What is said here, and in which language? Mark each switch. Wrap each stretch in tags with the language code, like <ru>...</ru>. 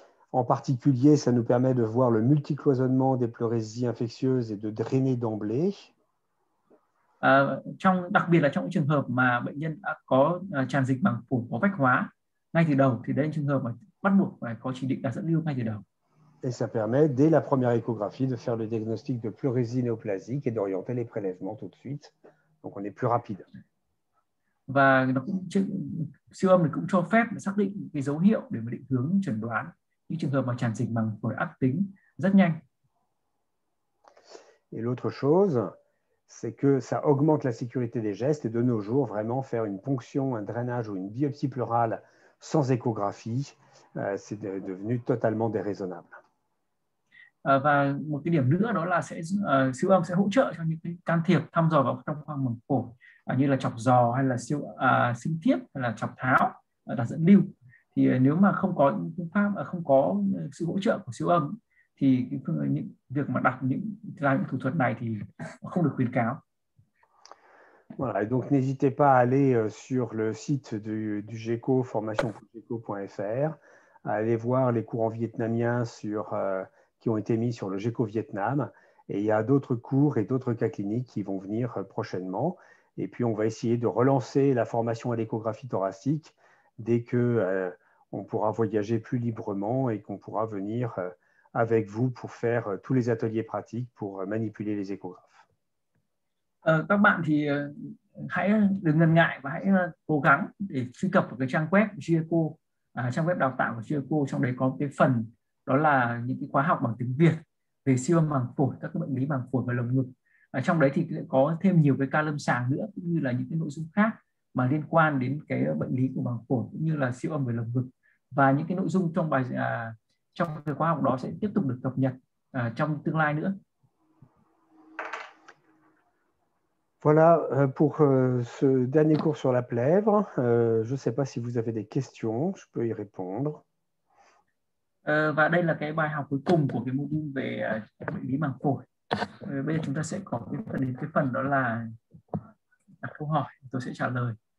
<fr>En particulier, ça nous permet de voir le multicloisonnement des pleurésies infectieuses et de drainer d'emblée.</fr> <vi>Trong đặc biệt là trong trường hợp mà bệnh nhân đã có tràn dịch màng phổi có vách hóa ngay từ đầu, thì đây là trường hợp mà bắt buộc phải có chỉ định đặt dẫn lưu ngay từ đầu.</vi> <fr>Et ça permet, dès la première échographie, de faire le diagnostic de pleurésie néoplasique et d'orienter les prélèvements tout de suite. Donc on est plus rapide.</fr> <vi>Và nó cũng siêu âm thì cũng cho phép xác định cái dấu hiệu để mà định hướng chẩn đoán những trường hợp mà tràn dịch màng phổi ác tính rất nhanh.</vi> <fr>Et l'autre chose, c'est que ça augmente la sécurité des gestes. Et de nos jours, vraiment, faire une ponction, un drainage ou une biopsie pleurale sans échographie, c'est devenu totalement déraisonnable.</fr> <vi>Và một cái điểm nữa đó là sẽ siêu âm sẽ hỗ trợ cho những cái can thiệp thăm dò vào trong khoang màng phổi, như là chọc giò hay là siêu sinh thiết hay là chọc tháo đặt dẫn lưu. Thì nếu mà không có những phương pháp không có sự hỗ trợ của siêu âm, thì những việc mà đặt làm những thủ thuật này thì không được khuyến cáo.</vi> <fr>Voilà, et donc n'hésitez pas à aller sur le site du GECO, formation.geco.fr, à aller voir les cours en vietnamien qui ont été mis sur le GECO Vietnam. Et il y a d'autres cours et d'autres cas cliniques qui vont venir prochainement. Et puis on va essayer de relancer la formation à l'échographie thoracique dès que on pourra voyager plus librement et qu'on pourra venir avec vous pour faire tous les ateliers pratiques pour manipuler les échographes.</fr> <vi>Các bạn thì hãy đừng ngần ngại và hãy cố gắng để truy cập vào cái trang web GECO, trang web đào tạo của GECO. Trong đấy có cái phần đó là những cái khóa học bằng tiếng Việt về siêu âm màng phổi, các cái bệnh lý màng phổi và lồng ngực. Trong đấy thì có thêm nhiều cái ca lâm sàng nữa, cũng như là những cái nội dung khác mà liên quan đến cái bệnh lý của màng phổi cũng như là siêu âm về lồng ngực. Và những cái nội dung trong bài trong cái khóa học đó sẽ tiếp tục được cập nhật trong tương lai nữa.</vi> <fr>Voilà pour ce dernier cours sur la plèvre. Je ne sais pas si vous avez des questions, je peux y répondre.</fr> <vi>Và đây là cái bài học cuối cùng của cái module về bệnh lý màng phổi. Bây giờ chúng ta sẽ có cái phần đó là đặt câu hỏi, tôi sẽ trả lời.</vi>